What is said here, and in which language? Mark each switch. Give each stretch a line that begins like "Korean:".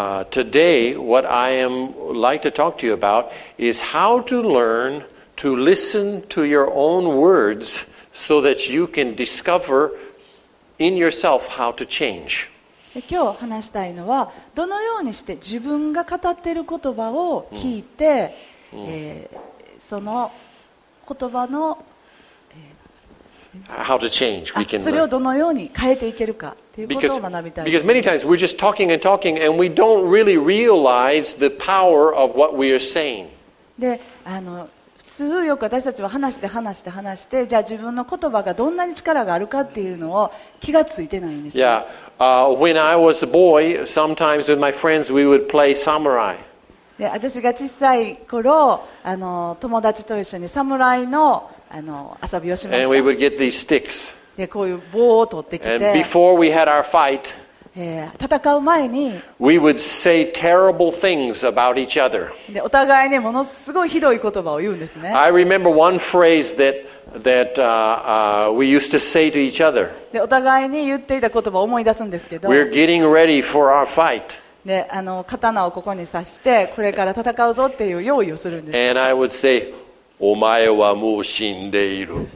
English: Today, what I am like to talk to you about is how to learn to listen to your own words so that you can discover in yourself how to change.
Japanese: 今日話したいのはどのようにして自分が語っている言葉を聞いて、その言葉の、
English: How to change. We can
Japanese: それをどのように変えていけるかということを学びたいと思います。
English: Because many times we're just talking and talking and we don't really realize the power of what we are saying.
Japanese: で、普通よく私たちは話して話して話して、じゃあ自分の言葉がどんなに力があるかっていうのを気がついてないんですよ。
English: Yeah. When I was a boy, sometimes with my friends we would play samurai.
Japanese: で私が小さい頃友達と一緒に侍の遊びをしました。
English: And we would get these sticks.
Japanese: でこういう棒を取ってきて
English: And before we had our fight,
Japanese: 戦う前に
English: we would say terrible things about each other.
Japanese: でお互いにものすごいひどい言葉を言うんですね。
English: I remember one phrase that we used to say to each other.
Japanese: でお互いに言っていた言葉を思い出すんですけど
English: We're getting ready for our fight.
Japanese: で刀をここに刺してこれから戦うぞっていう用意をするんです。
English: And I would say,
Japanese: お前はもう死んでいる。